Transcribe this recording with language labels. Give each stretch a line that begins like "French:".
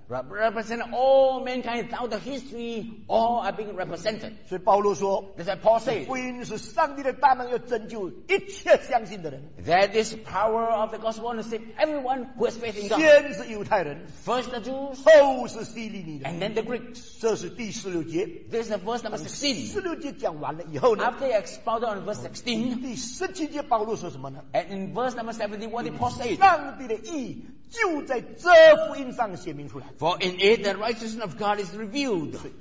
English: represent all mankind throughout the history, all are being represented.
Chinese: 所以保罗说,
English: that's what Paul said,
Chinese: 福音是上帝的大能要拯救一切相信的人,
English: that this power of the gospel to save everyone who has faith in God.
Chinese: 先是犹太人,
English: first the Jews,
Chinese: 后是希利尼人,
English: and then the Greeks.
Chinese: 这是第16节,
English: this is the verse number 16.
Chinese: 16节讲完了以后呢,
English: after he expounded on verse 16,
Chinese: 第17节保罗说什么呢?
English: And in verse number 17, what did Paul say?
Chinese: 上帝的义 就在这福音上显明出来,
English: for in it the righteousness of God is revealed.